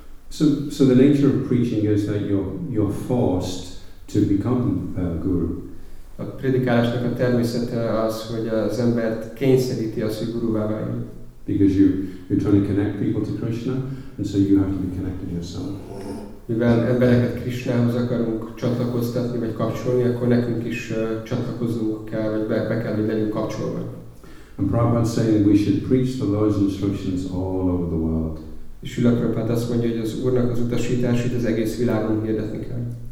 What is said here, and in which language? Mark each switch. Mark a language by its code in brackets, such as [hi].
[en] So the nature of preaching is that you're forced to become a guru. [hu] A predikálásnak a természete az, hogy az embert kényszeríti az, hogy guruvá váljon. [en] because you're trying to connect people to Krishna, and so you have to be connected yourself. [hu] Mivel embereket Krishnához akarunk csatlakoztatni vagy kapcsolni, akkor nekünk is csatlakoznunk kell, vagy be kell, hogy legyünk kapcsolva. [en] And Prabhupada saying we should preach the Lord's instructions all over the world. [hu] És Srila Prabhupada azt mondja, hogy az Úrnak az utasításait az egész világon hirdetni kell.